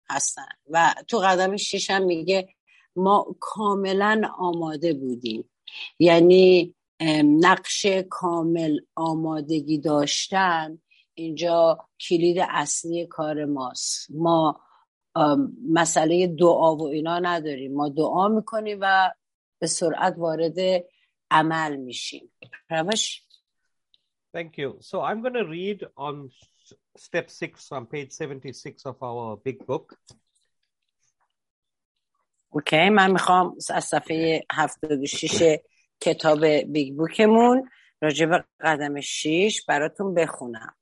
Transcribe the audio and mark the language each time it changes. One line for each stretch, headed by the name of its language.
Persian: هستن و تو قدم 6 هم میگه ما کاملا آماده بودیم، یعنی نقش کامل آمادگی داشتن اینجا کلید اصلی کار ماست. ما مسئله دعا و اینا نداریم، ما دعا میکنیم و به سرعت وارد عمل میشیم. پرواش،
English: thank you. So I'm going to read on step 6 on page 76 of our big book.
Persian: اوکی، من میخوام از صفحه 76 کتاب بیگ بوکمون راجع به قدم 6 براتون بخونم.